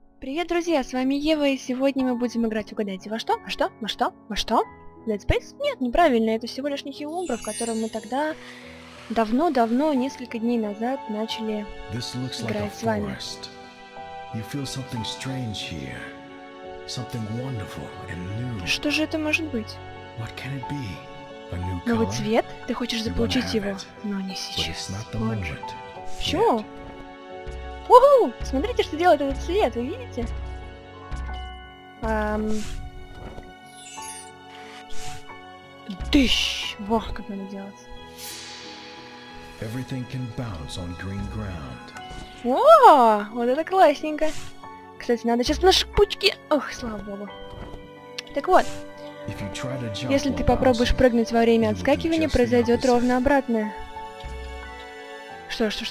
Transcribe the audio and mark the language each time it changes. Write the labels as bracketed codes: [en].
[ru] Привет, друзья, с вами Ева, и сегодня мы будем играть угадайте во что? Во что? Dead Space? Нет, неправильно, это всего лишь некий умбра, в котором мы тогда давно-давно, несколько дней назад, начали играть с вами. [en] You feel something strange here. Something wonderful and new. [ru] Что же это может быть? [en] What can it be? A new color? [ru] Новый цвет? Ты хочешь заполучить его? Но не сейчас. Почему? Уху! Смотрите, что делает этот цвет, вы видите? Тыщ! Во, как надо делать. [en] Everything can bounce on green ground. [ru] О, вот это классненько. Кстати, надо сейчас наши пучки. Ох, слава богу. Так вот. Если ты попробуешь прыгнуть во время отскакивания, произойдет ровно обратное. Что?